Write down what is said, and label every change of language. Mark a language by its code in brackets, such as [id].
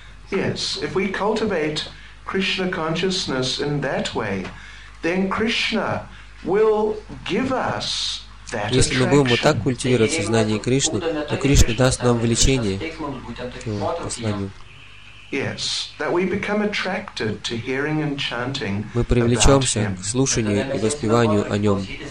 [en] Yes, if we cultivate Krishna consciousness in that way, then Krishna will give us that. [ru] Если мы будем вот так культивировать сознание Кришны, то Кришна даст нам влечение к посланию. [en] Yes, that we become attracted to hearing and chanting. [ru] Мы привлечемся к слушанию и воспеванию о нем.